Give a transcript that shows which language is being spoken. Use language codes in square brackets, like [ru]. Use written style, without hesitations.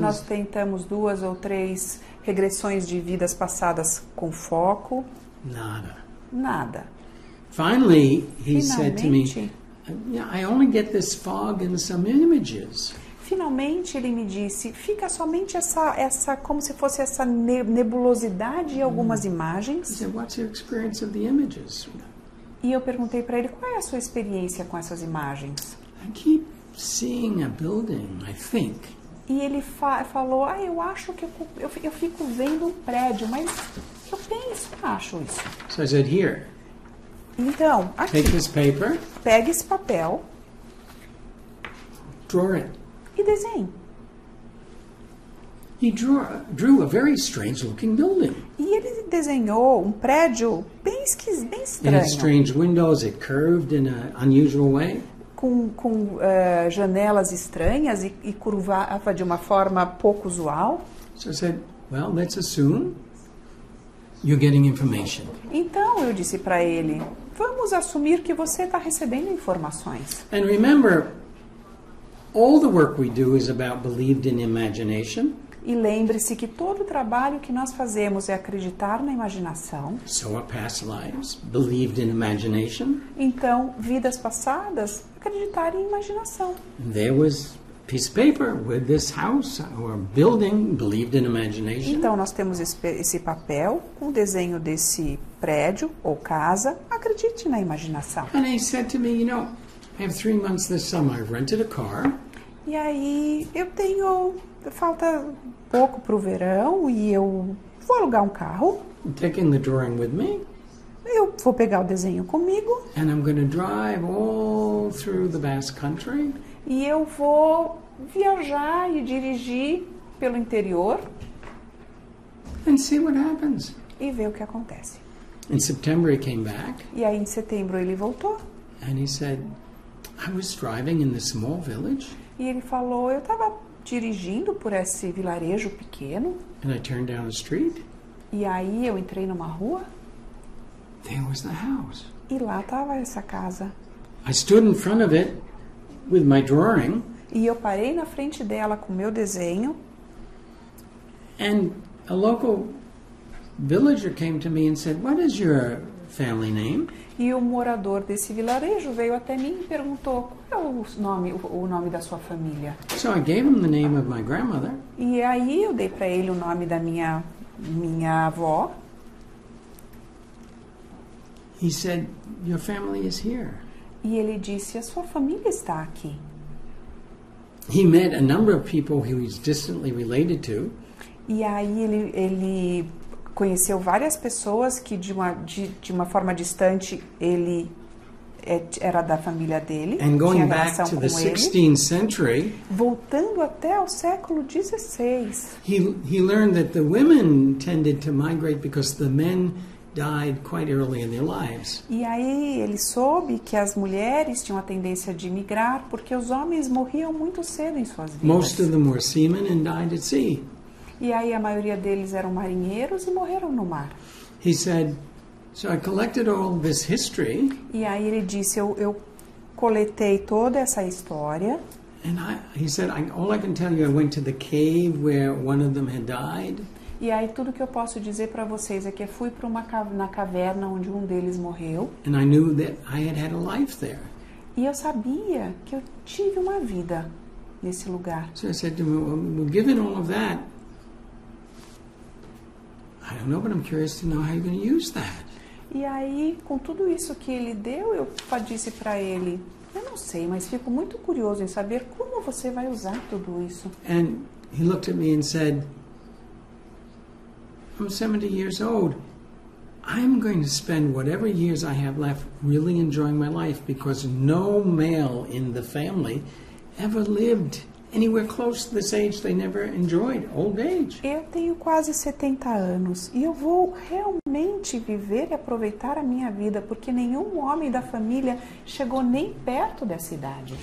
[pt] Nós tentamos 2 ou 3 regressões de vidas passadas com foco. Nada. Nada. [en] Finally, he said to me, I only get this fog in some images. [pt] Finalmente, ele me disse, fica somente essa como se fosse essa nebulosidade em algumas imagens. [en] He said, what's your experience of the images? [pt] E eu perguntei para ele, qual é a sua experiência com essas imagens? [en] I keep seeing a building, I think. [pt] E ele falou, eu acho que eu fico vendo um prédio, mas eu penso, eu acho isso. [en] So I said, here. [pt] Então, aqui. [en] Take this paper. [pt] Pegue esse papel. [en] Draw it. [pt] E desenhe. [en] He drew a very strange looking building. [pt] E ele desenhou um prédio bem estranho. [en] It had strange windows, it curved in an unusual way. [pt] Com janelas estranhas e curvava de uma forma pouco usual. [en] So I said, well, let's assume you're getting information. [pt] Então eu disse para ele, vamos assumir que você está recebendo informações. [en] And remember, all the work we do is about believed in imagination. [pt] E lembre-se que todo o trabalho que nós fazemos é acreditar na imaginação. [en] So are past lives, believed in imagination. [pt] Então, vidas passadas, acreditar em imaginação. [en] There was a piece of paper with this house or building believed in imagination. [pt] Então, nós temos esse papel com o desenho desse prédio ou casa. Acredite na imaginação. [en] And he said to me, you know, I have 3 months this summer. I've rented a car. [pt] E aí, eu tenho... Falta pouco para o verão e eu vou alugar um carro. [en] I'm taking the drawing with me. [pt] Eu vou pegar o desenho comigo. [en] And I'm going to drive all through the Basque Country. [pt] E eu vou viajar e dirigir pelo interior. [en] And see what happens. [pt] E ver o que acontece. [en] In September he came back. [pt] E aí em setembro ele voltou. [en] And he said, I was driving in this small village. [pt] E ele falou, eu estava dirigindo por esse vilarejo pequeno. [en] And I turned down the street. [pt] E aí eu entrei numa rua. [en] There was the house. [pt] E lá estava essa casa. [en] I stood in front of it with my drawing. [pt] E eu parei na frente dela com meu desenho. [en] And a local villager came to me and said, "What is your family name?" [pt] E o morador desse vilarejo veio até mim e perguntou qual é o nome da sua família. [en] So I gave him the name of my grandmother. [pt] E aí eu dei para ele o nome da minha Minha avó. [en] He said, "Your family is here." [pt] E ele disse, a sua família está aqui. [en] He met a number of people he was distantly related to. [pt] E aí ele conheceu várias pessoas que de uma forma distante ele era da família dele. [en] And going [pt] tinha [en] back [pt] relação [en] to [pt] com [en] the 16th century, [pt] ele. Voltando até ao século 16. [en] He learned that the women tended to migrate because the men died quite early in their lives. [pt] E aí ele soube que as mulheres tinham a tendência de migrar porque os homens morriam muito cedo em suas vidas. [en] Most of them were seamen and died at sea. [pt] E aí a maioria deles eram marinheiros e morreram no mar. [en] He said, "So I collected all this history." [pt] E aí ele disse, eu coletei toda essa história. [en] And he said, "All I can tell you, I went to the cave where one of them had died." [pt] E aí tudo que eu posso dizer para vocês é que eu fui para uma na caverna onde um deles morreu. [en] And I knew that I had had a life there. [pt] E eu sabia que eu tive uma vida nesse lugar. [en] So I said to him, "Well, given all of that, I don't know, but I'm curious to know how you're going to use that." [pt] E aí, com tudo isso que ele deu, eu disse para ele, eu não sei, mas fico muito curioso em saber como você vai usar tudo isso. [en] And he looked at me and said, "I'm 70 years old. I'm going to spend whatever years I have left really enjoying my life because no male in the family ever lived anywhere close to this age they never enjoyed, old age." [pt] Eu tenho quase 70 anos e eu vou realmente viver e aproveitar a minha vida porque nenhum homem da família chegou nem perto dessa idade.